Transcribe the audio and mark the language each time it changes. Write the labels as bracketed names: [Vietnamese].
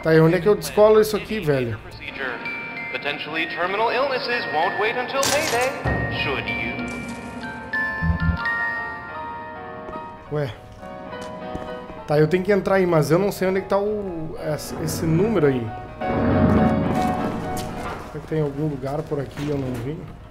[Portuguese] Tá, e onde é que eu descolo isso aqui, velho? [English] Potentially terminal illnesses won't wait until payday, should you? [Portuguese] Ué. Tá, eu tenho que entrar aí, mas eu não sei onde é que tá o. Esse número aí. Será que tem algum lugar por aqui e eu não vi?